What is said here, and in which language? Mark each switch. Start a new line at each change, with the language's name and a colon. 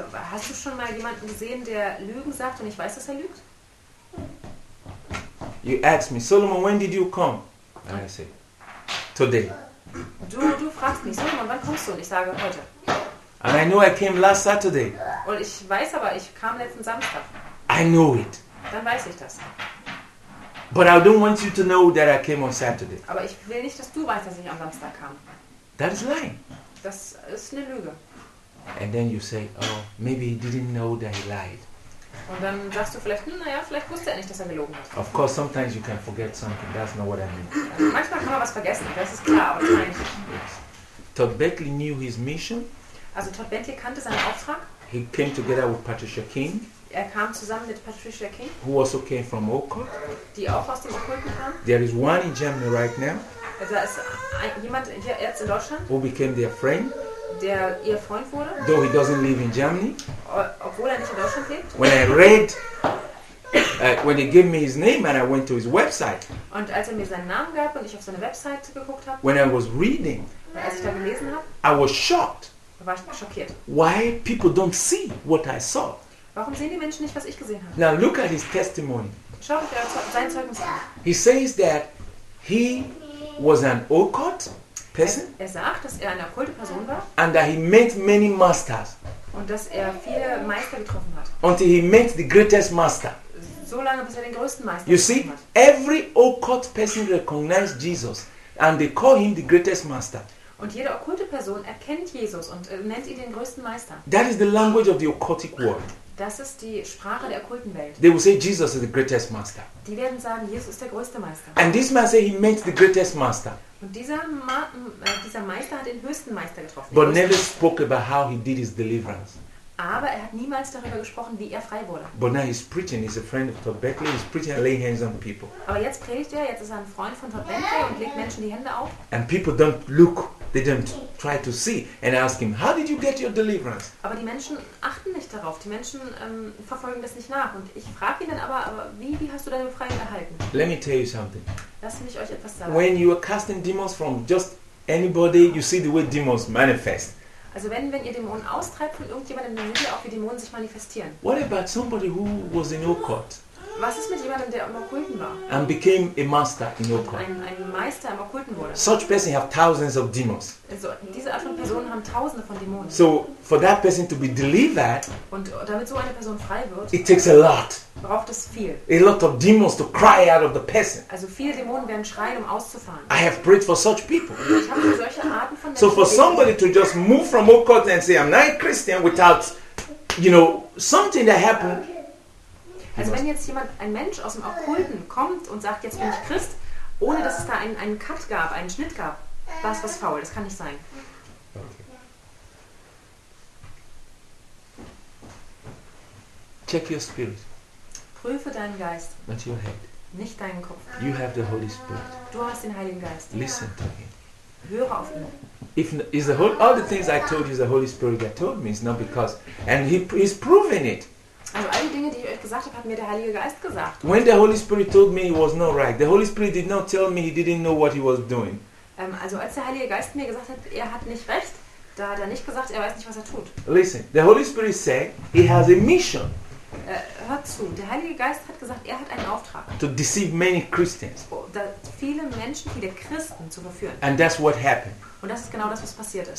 German: Hast du schon mal jemanden gesehen, der Lügen sagt und ich weiß, dass er lügt?
English: You ask me, Solomon, when did you come? And I say, today.
German: Du fragst mich, Solomon, wann kommst du? Und ich sage, heute.
English: And I know I came last Saturday.
German: Und ich weiß aber, ich kam letzten Samstag.
English: I know it.
German: Dann weiß ich das.
English: But I don't want you to know that I came on Saturday.
German: Aber ich will nicht, dass du weißt, dass ich am Samstag kam.
English: That is lying.
German: Das ist eine Lüge.
English: And then you say, oh, maybe he didn't know that he lied.
German: Und dann sagst du vielleicht, naja, vielleicht wusste er nicht, dass er gelogen hat.
English: Of course, sometimes you can forget something. That's not what I mean.
German: Manchmal kann man was vergessen. Das ist klar, aber das meine ich. Yes.
English: Todd Bentley knew his mission.
German: Also Todd Bentley kannte seinen Auftrag.
English: He came together with Patricia King.
German: Er kam zusammen mit Patricia King.
English: Who also came from Oakland.
German: Die auch aus dem Okkulten kam.
English: There is one in Germany right now.
German: Da ist jemand hier jetzt in Deutschland.
English: Who became their friend.
German: Der ihr Freund wurde.
English: Though he doesn't live in Germany.
German: Obwohl er nicht in Deutschland lebt.
English: When I read, when he gave me his name and I went to his website.
German: Und als er mir seinen Namen gab und ich auf seine Website geguckt habe.
English: When I was reading.
German: Als ich da gelesen habe.
English: I was shocked.
German: War ich schockiert.
English: Why people don't see what I saw.
German: Warum sehen die Menschen nicht, was ich gesehen habe?
English: Now look at his testimony.
German: Schau dir sein Zeugnis an.
English: He says that he was an occult. Person,
German: er sagt, dass er eine okkulte Person war.
English: And that he met many masters.
German: Und dass er viele Meister getroffen hat.
English: Until he met the greatest master.
German: So lange, bis er den größten Meister
English: you see,
German: hat.
English: Every occult person recognized Jesus and they call him the greatest master.
German: Und jede okkulte Person erkennt Jesus und nennt ihn den größten Meister.
English: That is the language of the occultic world.
German: Das ist die Sprache der okkulten Welt.
English: They will say Jesus is the greatest master.
German: Die werden sagen, Jesus ist der größte Meister.
English: And this man say he met the greatest master.
German: Und dieser Meister hat den höchsten Meister getroffen.
English: But never spoke about how he did his deliverance.
German: Aber er hat niemals darüber gesprochen, wie er frei wurde.
English: But now he's preaching. He's a friend of Todd Bentley. He's preaching and laying hands on people.
German: Aber jetzt predigt er. Jetzt ist er ein Freund von Todd Bentley und legt Menschen die Hände auf.
English: And people don't look. They don't try to see and ask him, how did you get your deliverance?
German: Aber die Menschen achten nicht darauf. Die Menschen verfolgen das nicht nach. Und ich frage ihn dann aber wie hast du deine Befreiung erhalten?
English: Let me tell you something.
German: Lass mich euch etwas sagen.
English: When you are casting demons from just anybody, you see the way demons manifest.
German: Also wenn ihr Dämonen austreibt von irgendjemandem, dann seht ihr auch, wie Dämonen sich manifestieren.
English: What about somebody who was in occult?
German: Was ist mit jemandem, der im Okkulten war?
English: And became a master in occult.
German: Ein Meister im Okkulten wurde.
English: Such person have thousands of demons.
German: Also diese Art von Personen haben Tausende von Dämonen.
English: So for that person to be delivered.
German: Und damit so eine Person frei wird.
English: It takes a lot.
German: Braucht es viel.
English: A lot of demons to cry out of the person.
German: Also viele Dämonen werden schreien, um auszufahren.
English: I have prayed for such people.
German: Ich habe für solche Arten von Menschen.
English: So for somebody to just move from occult and say I'm not a Christian without, you know, something that happened. Okay.
German: Also wenn jetzt jemand, ein Mensch aus dem Okkulten kommt und sagt, jetzt bin ich Christ, ohne dass es da einen Cut gab, einen Schnitt gab, war es was faul, das kann nicht sein.
English: Okay. Check your spirit.
German: Prüfe deinen Geist.
English: Not your head.
German: Nicht deinen Kopf.
English: You have the Holy Spirit.
German: Du hast den Heiligen Geist.
English: Listen to him.
German: Höre auf ihn.
English: If is the whole, all the things I told you the Holy Spirit that told me, it's not because, and he's proving it.
German: Also all die Dinge, die ich euch gesagt habe, hat mir der Heilige Geist gesagt.
English: When the Holy Spirit told me it was not right, the Holy Spirit did not tell me he didn't know what he was doing.
German: Also als der Heilige Geist mir gesagt hat, er hat nicht recht, da hat er nicht gesagt, er weiß nicht, was er tut.
English: Listen, the Holy Spirit said he has a mission.
German: Hört zu, der Heilige Geist hat gesagt, er hat einen Auftrag.
English: To deceive many Christians.
German: Viele Menschen, viele Christen zu verführen.
English: And that's what happened.
German: Und das ist genau das, was passiert ist.